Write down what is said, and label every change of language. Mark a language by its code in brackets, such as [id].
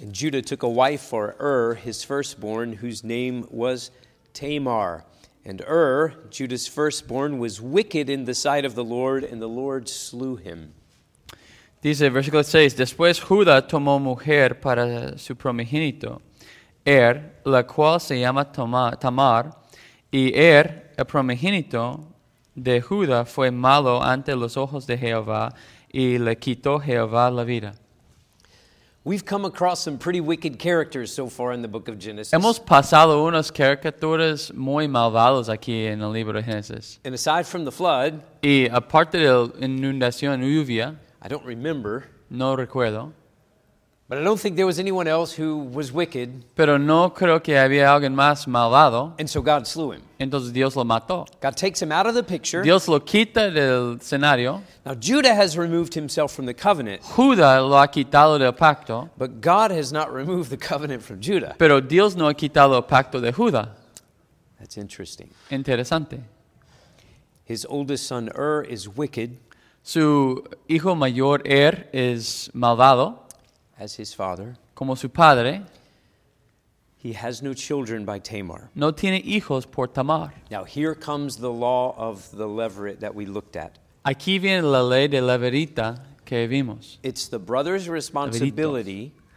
[en] And Judah took a wife for his firstborn, whose name was Tamar. And Judah's firstborn, was wicked in the sight of the Lord, and the Lord slew him. [es] Dice, versículo 6, después Judá tomó mujer para su primogénito, la cual se llama Tamar, y el primogénito de Judá fue malo ante los ojos de Jehová, y le quitó Jehová la vida. [en] We've come across some pretty wicked characters so far in the book of Genesis. [es] Hemos pasado unas caricaturas muy malvados aquí en el libro de Génesis. [en] And aside from the flood, [es] y aparte de la inundación, lluvia, [en] I don't remember. [es] No recuerdo. [en] But I don't think there was anyone else who was wicked. [es] Pero no creo que había alguien más malvado. [en] And so God slew him. [es] Entonces Dios lo mató. [en] God takes him out of the picture. [es] Dios lo quita del escenario. [en] Now Judah has removed himself from the covenant. [es] Judá lo ha quitado del pacto. [en] But God has not removed the covenant from Judah. [es] Pero Dios no ha quitado el pacto de Judá. [en] That's interesting. [es] Interesante. [en] His oldest son Ur is wicked. [es] Su hijo mayor Ur es malvado. [en] As his father. [es] Como su padre. [en] He has no children by Tamar. [es] No tiene hijos por Tamar. [en] Now here comes the law of the leveret that we looked at. [es] Aquí viene la ley de leverita que vimos. [en] It's the brother's responsibility.